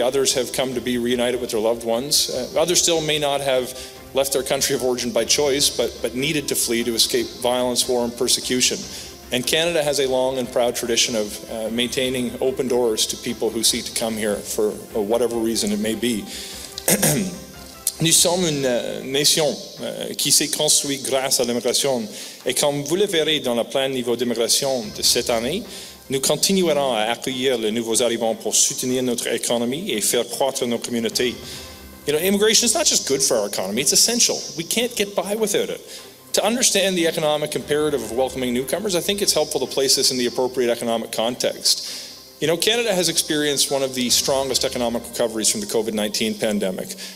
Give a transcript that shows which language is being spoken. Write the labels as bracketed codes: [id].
[en] Others have come to be reunited with their loved ones. Others still may not have left their country of origin by choice, but needed to flee to escape violence, war, and persecution. And Canada has a long and proud tradition of maintaining open doors to people who seek to come here for whatever reason it may be. [fr] Nous sommes une nation qui s'est construite grâce à l'immigration. Et comme vous le verrez dans le plan niveau d'immigration de cette année, nous continuerons à accueillir les nouveaux arrivants pour soutenir notre économie et faire croître nos communautés. [en] You know, immigration is not just good for our economy, it's essential. We can't get by without it. To understand the economic imperative of welcoming newcomers, I think it's helpful to place this in the appropriate economic context. You know, Canada has experienced one of the strongest economic recoveries from the COVID-19 pandemic.